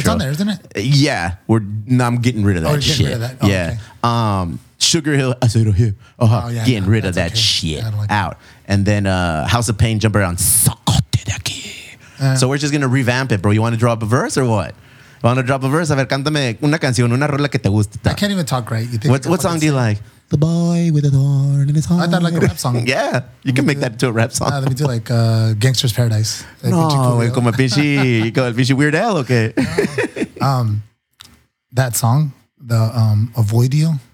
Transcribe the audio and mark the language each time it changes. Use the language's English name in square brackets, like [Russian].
[English] It's on there, isn't it? Yeah. I'm getting rid of that shit. Getting rid of that. Oh, yeah. Okay. Sugar Hill, I said it here. Oh, yeah. Getting rid of that shit. Yeah, I don't like out. And then House of Pain, jump around. [Spanish] Sacote de aquí. [English] So we're just going to revamp it, bro. You want to drop a verse or what? I want to drop a verse. [Spanish] A ver, cántame una canción, una rola que te guste. [English] I can't even talk right. You think what song do you like? The boy with a thorn in his heart. I thought like a rap song. Yeah, you can make that into a rap song. Nah, let me do like Gangster's Paradise. [Spanish] Like no, como pinche, como pinche Weird Al, okay. [English] That song, the Avoid You.